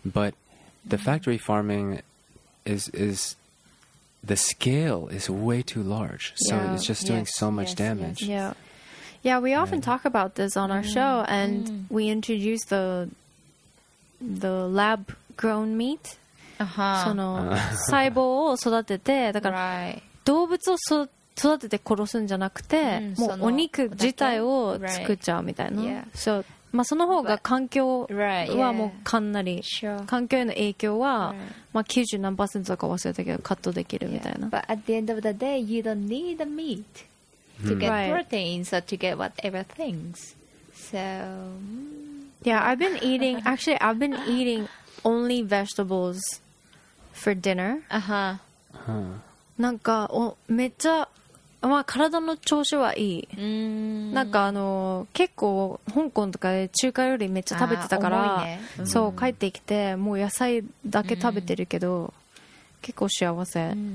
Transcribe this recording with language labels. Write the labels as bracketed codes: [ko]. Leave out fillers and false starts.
[en] but the factory farming is the scale is way too large so yeah. it's just doing yes. so much yes. damage yes. yeah yeah we often yeah. talk about this on our show and we introduce the lab grown meat uh-huh. [ja] その細胞を育ててだから、 [en] right. [ja] 動物を育てて殺すんじゃなくて、もうお肉自体を作っちゃうみたいな、 [en] right. [ja] so, まあ、その方が環境はもうかなり [en] right,、yeah. sure. [ja] 環境への影響は、right. まあ、90何パーセントか忘れたけどカットできるみたいな、 [en] yeah. But at the end of the day you don't need the meat to get proteins or to get whatever things so yeah I've been eating actually I've been eating only vegetables for dinner. Uh-huh. [ja] なんか、めっちゃ、まあ、体の調子はいい。 Mm. なんか、結構、香港とかで中華料理めっちゃ食べてたから、そう、帰ってきて、もう野菜だけ食べてるけど、結構幸せ。